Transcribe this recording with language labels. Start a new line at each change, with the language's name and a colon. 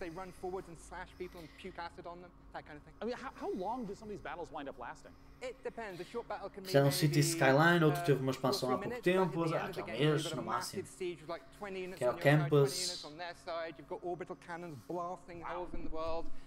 English: They run forwards and slash people and puke acid on them, that kind of thing. I mean, how long do some of these battles wind up lasting? It depends. A short battle can
Portuguese: be City Skyline, outro teve uma expansão há pouco tempo, há um mês, no máximo. Like que é o campus.
English: You've got orbital cannons blasting holes in the world.